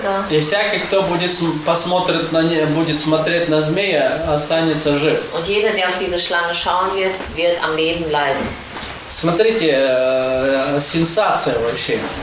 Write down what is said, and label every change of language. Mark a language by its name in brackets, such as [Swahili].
[Russian] И всякий, кто будет посмотрит на не, будет смотреть на змея, останется жив. [German] Und jeder, der auf diese Schlange schauen wird, wird am Leben bleiben. [Russian] Смотрите, сенсация вообще.